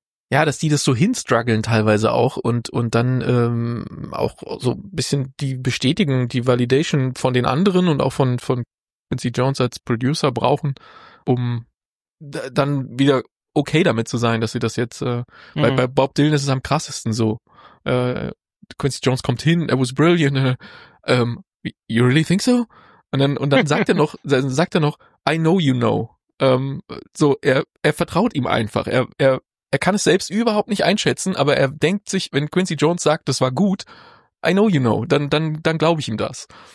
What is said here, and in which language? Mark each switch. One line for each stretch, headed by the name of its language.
German: Ja, dass die das so hinstruggeln teilweise auch und dann auch so ein bisschen die Bestätigung, die Validation von den anderen und auch von Quincy Jones als Producer brauchen, um dann wieder okay damit zu sein, dass sie das jetzt, weil bei Bob Dylan ist es am krassesten so.
English: Quincy Jones
German: kommt hin,
English: it was brilliant, you really think so?
German: Und dann sagt er noch,
English: I know you know.
German: Er vertraut ihm einfach. Er kann es selbst überhaupt nicht einschätzen, aber er denkt sich, wenn Quincy Jones sagt, das war gut,
English: I know you know,
German: dann glaube ich ihm das.